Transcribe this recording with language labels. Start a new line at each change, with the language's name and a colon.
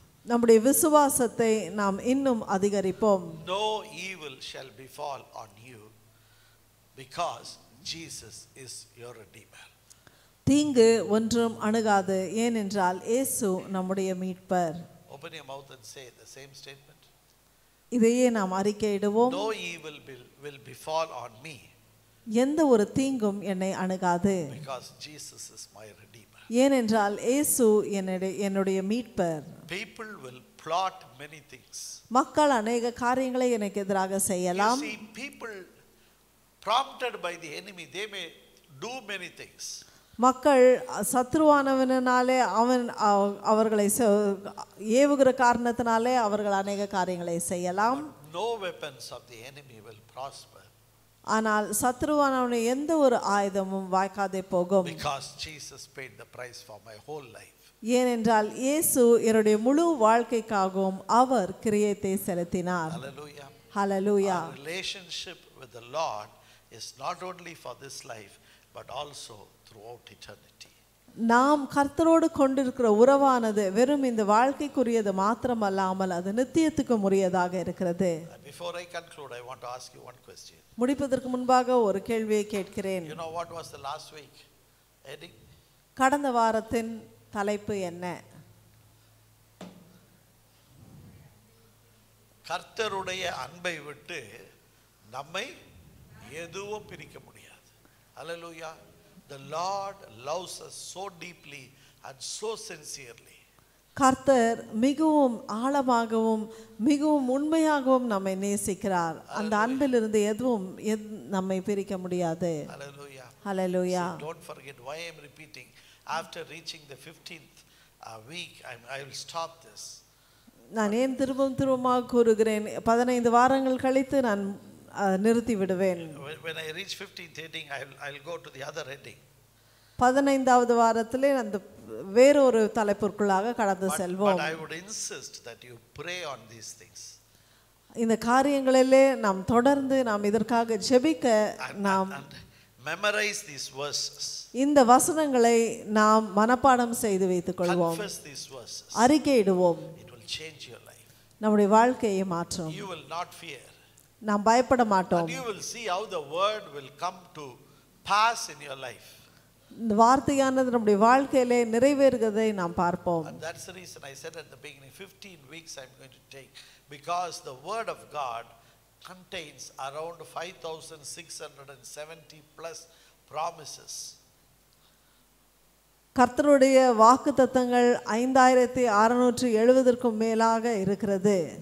Tamil: நம்முடைய விசுவாசத்தை நாம் இன்னும் அதிகரிப்போம்.
English: No evil shall befall on you because Jesus is your redeemer.
Tamil: தீங்கு ஒன்றும் அணுகாது, ஏனென்றால் இயேசு நம்முடைய மீட்பர்.
English: Open your mouth and say the same statement.
Tamil: இதையே நாம் அறிக்கையிடுவோம்.
English: No evil will befall on me.
Tamil: எந்த ஒரு தீங்கும் என்னை அணுகாது.
English: Because Jesus is my redeemer.
Tamil: ஏனென்றால் இயேசு என்னுடைய மீட்பர்.
English: People will plot many things.
Tamil: மக்கள் அநேக காரியங்களை எனக்கு எதிராக செய்யலாம்.
English: You see, people prompted by the enemy, they may do many things.
Tamil: மக்கள் சத்ருவானவனாலே அவன் அவர்களை ஏவுகிற காரணத்தினாலே அவர்கள் அநேக காரியங்களை செய்யலாம்.
English: No weapons of the enemy will prosper.
Tamil: ஆனால் சத்ருவானவன் எந்த ஒரு ஆயுதமும் வாய்க்காதே போகும்.
English: Because Jesus paid the price for my whole life.
Tamil: ஏனென்றால் இயேசு என்னுடைய முழு வாழ்க்கைக்காகவும் அவர் கிரயத்தை செலுத்தினார்.
English: Hallelujah. Hallelujah. Our relationship with the Lord is not only for this life but also throughout eternity.
Tamil: நாம் கர்த்தரோடு கொண்டிருக்கிற உறவானது வெறும் இந்த வாழ்க்கைக்குரியது மாத்திரமல்லாமல் அது நித்தியத்துக்கு உரியதாக இருக்கிறது.
English: Before I conclude, I want to ask you one question.
Tamil: முடிப்பதற்கு முன்பாக ஒரு கேள்வியை கேட்கிறேன்.
English: You know what was the last week? Any
Tamil: கடந்த வாரத்தின் தலைப்பு என்ன? கர்த்தருடைய அன்பை விட்டு நம்மை எதுவும் பிரிக்க முடியாது. அல்லேலூயா.
English: The Lord loves us so deeply and so sincerely.
Tamil: கர்த்தர் மிகவும் ஆழமாகவும் மிகவும் உண்மையாகவும் நம்மை நேசிக்கிறார். அந்த அன்பிலிருந்து எதுவும் நம்மை பிரிக்க முடியாது. அல்லேலூயா. அல்லேலூயா.
English: So don't forget why I'm repeating. After reaching the 15th week, I will stop this.
Tamil: நான் ஏன் திரும்பவும் திரும்பமாக கூறுகிறேன், 15 வாரங்கள் கழித்து நான் நிறுத்தி விடுவேன்.
English: When I reach 15th heading, I'll go to the other heading.
Tamil: 15th வாரத்திலே அந்த வேறொரு தலைப்புக்குள்ளாக கடந்து செல்வோம்.
English: But I would insist that you pray on these things.
Tamil: இந்த காரியங்களிலே நாம் தொடர்ந்து நாம் இதற்காக ஜெபிக்க நாம்
English: memorize these verses.
Tamil: இந்த வசனங்களை நாம் மனப்பாடம் செய்து வைத்துக் கொள்வோம்.
English: Confess these verses.
Tamil: அறிக்கையிடுவோம்.
English: Change your life.
Tamil: நம்முடைய வாழ்க்கையை மாற்றும்.
English: You will not fear.
Tamil: நாம் பயப்பட மாட்டோம்.
English: And you will see how the word will come to pass in your life.
Tamil: இந்த வார்த்தையானது நம்முடைய வாழ்க்கையிலே நிறைவேறுவதை நாம் பார்ப்போம்.
English: And that's the reason I said at the beginning 15 weeks I'm going to take, because the word of God contains around 5670 plus promises.
Tamil: கர்த்தருடைய வாக்கு தத்தங்கள் 5670-க்கும் மேலாக இருக்கிறது.